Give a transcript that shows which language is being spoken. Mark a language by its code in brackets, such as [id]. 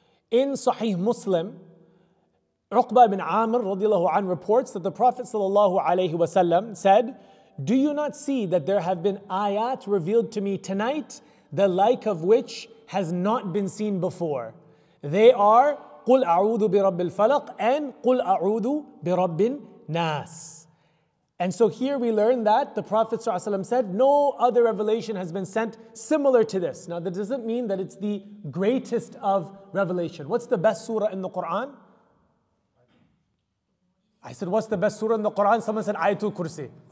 [en] In Sahih Muslim, Uqbah ibn Amr radiallahu anhu reports that the Prophet sallallahu alaihi wasallam said, "Do you not see that there have been ayat revealed to me tonight, the like of which has not been seen before? They are [ar] قُلْ أَعُوذُ بِرَبِّ الْفَلَقِ and قُلْ أَعُوذُ بِرَبِّ النَّاسِ." [en] And so here we learn that the Prophet ﷺ said, no other revelation has been sent similar to this. Now that doesn't mean that it's the greatest of revelation. What's the best surah in the Quran? I said, what's the best surah in the Quran? Someone said, Ayatul Kursi.